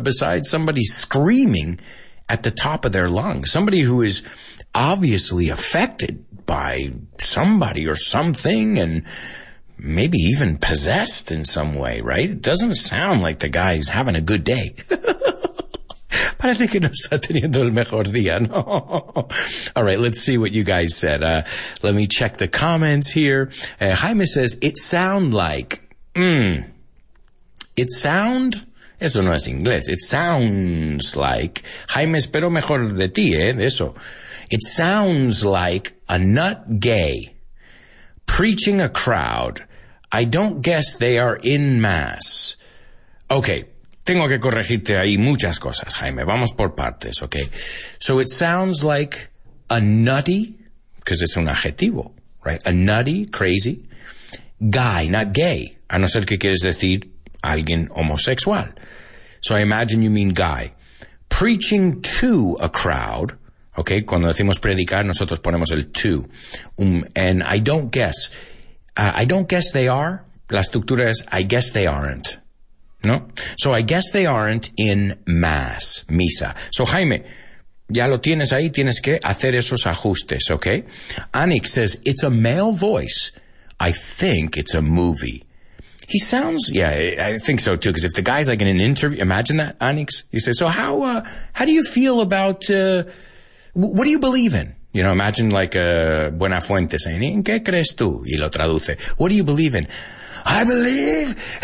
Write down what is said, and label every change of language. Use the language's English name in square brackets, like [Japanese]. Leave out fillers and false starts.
[English] Besides somebody screaming at the top of their lungs, somebody who is obviously affected by somebody or something and maybe even possessed in some way, right? It doesn't sound like the guy's having a good day. [Spanish] Parece que no está teniendo el mejor día, no. [English] All right, let's see what you guys said. Let me check the comments here. Jaime says, it sound like... it sound... [Spanish] Eso no es inglés. [English] It sounds like... [Spanish] Jaime, espero mejor de ti, eso. [English] It sounds like a nut gay preaching a crowd. I don't guess they are in mass. Okay. [Spanish] Tengo que corregirte ahí muchas cosas, Jaime. Vamos por partes, okay? [English] So it sounds like a nutty, because it's [Spanish] un adjetivo, [English] right? A nutty, crazy, guy, not gay. [Spanish] A no ser que quieres decir alguien homosexual. [English] So I imagine you mean guy. Preaching to a crowd, okay? [Spanish] Cuando decimos predicar, nosotros ponemos el to. [English] And I don't guess. I don't guess they are. [Spanish] La estructura es [English] I guess they aren't. No? So I guess they aren't in mass, misa. [Spanish] So Jaime, ya lo tienes ahí, tienes que hacer esos ajustes, okay? [English] Anik says, it's a male voice. I think it's a movie. He sounds, yeah, I think so too, because if the guy's like in an interview, imagine that, Anik. He says, so how do you feel about, what do you believe in? You know, imagine like, Buenafuente saying, [Spanish] ¿en qué crees tú? Y lo traduce. [English] What do you believe in? I believe.